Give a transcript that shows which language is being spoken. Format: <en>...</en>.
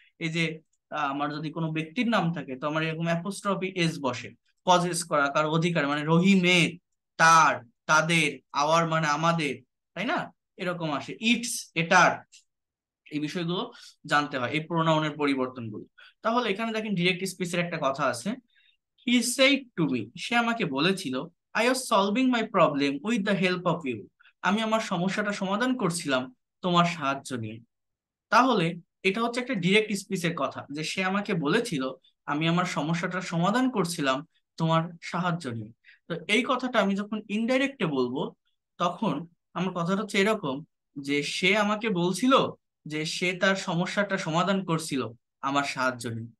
<bn>এই যে আমার যদি কোনো ব্যক্তির নাম থাকে তো আমার এরকম অ্যাপোস্ট্রফি এস বসে, পজেস করা, কার অধিকার, মানে রহিমের, তার, তাদের, আওয়ার মানে আমাদের, তাই না? এরকম আসে। ইটস, এটার, এই বিষয়গুলো জানতে হয়, এই প্রোনাউনের পরিবর্তনগুলো। তাহলে এখানে দেখেন ডিরেক্ট স্পিচের একটা কথা আছে,</bn> <en>He said to me,</en> <bn>সে আমাকে বলেছিল,</bn> <en>I was solving my problem with the help of you.</en> <bn>আমি আমার সমস্যাটা সমাধান করছিলাম তোমার সাহায্য নিয়ে। তাহলে এটা হচ্ছে একটা ডিরেক্ট স্পিচের কথা, যে সে আমাকে বলেছিল আমি আমার সমস্যাটা সমাধান করছিলাম তোমার সাহায্য নিয়ে। তো এই কথাটা আমি যখন ইনডাইরেক্টে বলবো, তখন আমার কথাটা হচ্ছে এরকম যে সে আমাকে বলছিল যে সে তার সমস্যাটা সমাধান করছিল আমার সাহায্য নিয়ে।</bn>